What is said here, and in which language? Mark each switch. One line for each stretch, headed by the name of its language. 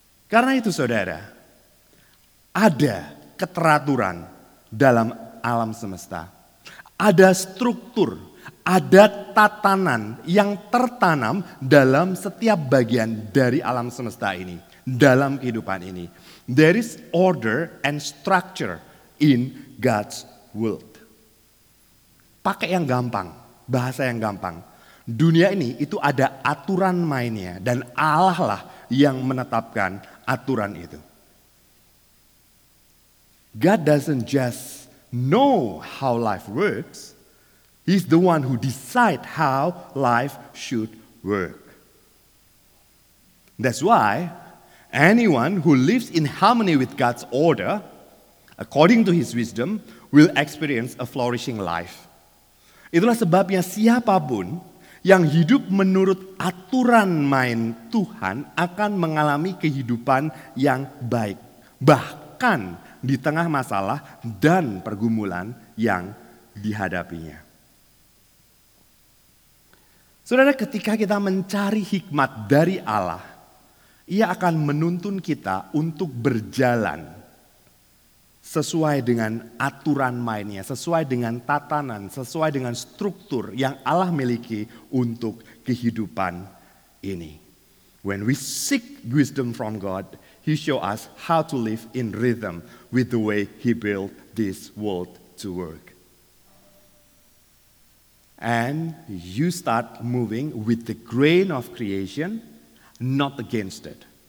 Indonesian: Karena itu saudara, ada keteraturan dalam alam semesta. Ada struktur, ada tatanan yang tertanam dalam setiap bagian dari alam semesta ini, dalam kehidupan ini.
English: There is order and structure in God's world.
Indonesian: Pakai yang gampang, bahasa yang gampang. Dunia ini itu ada aturan mainnya dan Allah lah yang menetapkan aturan itu.
English: God doesn't just know how life works, He's the one who decides how life should work. That's why anyone who lives in harmony with God's order, according to His wisdom, will experience a flourishing life.
Indonesian: Itulah sebabnya siapapun yang hidup menurut aturan main Tuhan akan mengalami kehidupan yang baik, bahkan di tengah masalah dan pergumulan yang dihadapinya. Saudara, ketika kita mencari hikmat dari Allah, Ia akan menuntun kita untuk berjalan sesuai dengan aturan mainnya, sesuai dengan tatanan, sesuai dengan struktur yang Allah miliki untuk kehidupan ini.
English: When we seek wisdom from God, He show us how to live in rhythm with the way He built this world to work. And you start moving with the grain of creation, not against it.